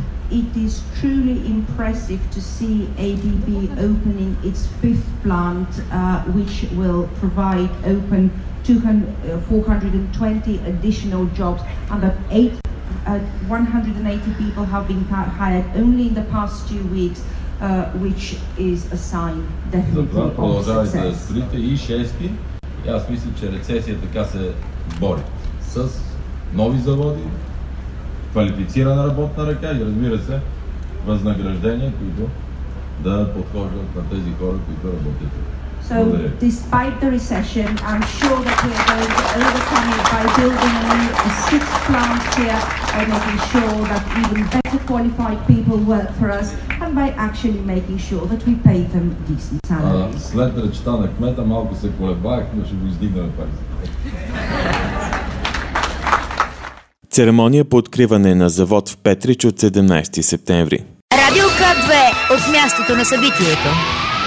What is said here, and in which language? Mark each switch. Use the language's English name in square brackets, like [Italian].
[English] It is truly impressive to see ABB opening its fifth plant, which will provide open 420 additional jobs, and that 180 people have been hired only in the past 2 weeks, which is a sign definitely of success. [Bulgarian] Квалифицирана работна ръка и, разбира се, възнаграждения, които да подхождат на тези хора, които работят. [English] So, despite the recession, I'm sure that we are going to overcome it by building a sixth plant here and making sure that even better qualified people work for us and by actually making sure that we pay them decent salaries. [Bulgarian] След речта на кмета малко се колебах, но ще го издигнем пари. Церемония по откриване на завод в Петрич от 17 септември. Радио К2 от мястото на събитието.